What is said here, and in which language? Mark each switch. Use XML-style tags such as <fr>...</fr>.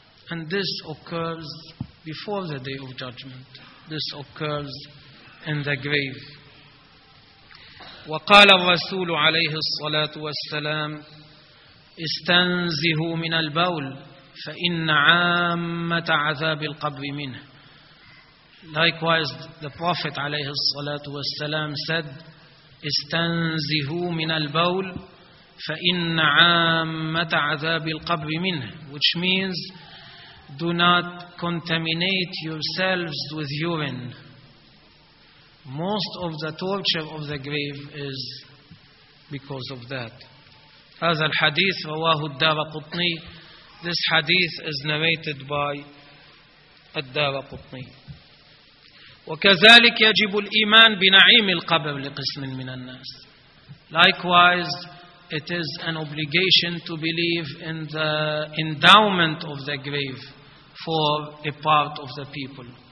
<en>And this occurs before the day of judgment. This occurs in the grave.</en> <ar>وقال الرسول عليه الصلاة والسلام استنزهوا من البول فإن عامة عذاب القبر منه.</ar> <en>Likewise, the Prophet</en> <ar>عليه الصلاة والسلام</ar> <en>said,</en> <ar>استنزهوا من البول فإن عامة عذاب القبر منه,</ar> <en>which means do not contaminate yourselves with urine. Most of the torture of the grave is because of that.</en> <ar>هذا الحديث رواه الدارقطني.</ar> <en>This hadith is narrated by الدارقطني.</en> <ar>وكذلك يجب الإيمان بنعيم القبر لقسم من الناس.</ar> <en>Likewise, it is an obligation to believe in the endowment of the grave for a part of the people.</en>